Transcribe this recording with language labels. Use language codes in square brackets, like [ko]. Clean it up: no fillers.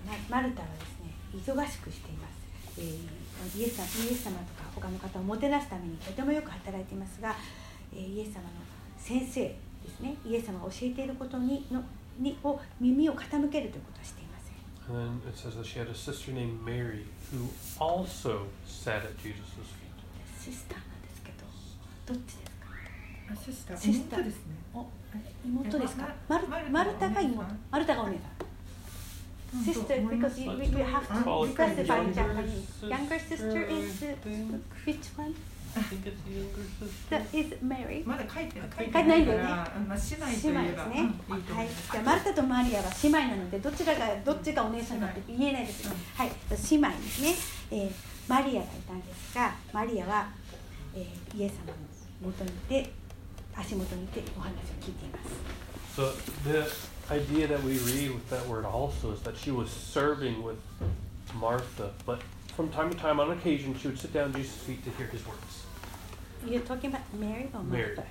[ja] マルタはですね、忙しくしています。イエス様とか他の方をもてなすためにとてもよく働いていますが、イエス様の先生ですね、イエス様が教えていることにのにを耳を傾けるということはしていません。 [en] And then it says that she had a sister named Mary who also sat at Jesus' feet. [ja] シスターなんですけど、どっちですか？シスター、妹ですね。妹ですか？マルタが妹。マルタがお姉さん。 [en] Sister, because we have to classify in Japanese. Younger sister is which one? I think it's younger sister. Is Mary? [ja] まだ書いてない。姉妹ですね。はい。じゃあマルタとマリアは姉妹なので、どっちがお姉さんかって言えないです。はい。姉妹ですね。マリアがいたんですが、マリアは、イエス様の元にいて、足元にいてお話を聞いています。 [en] So this idea that we read with that word also is that she was serving with Martha, but from time to time, on occasion, she would sit down at Jesus' feet to hear his words. You're talking about Mary or Martha?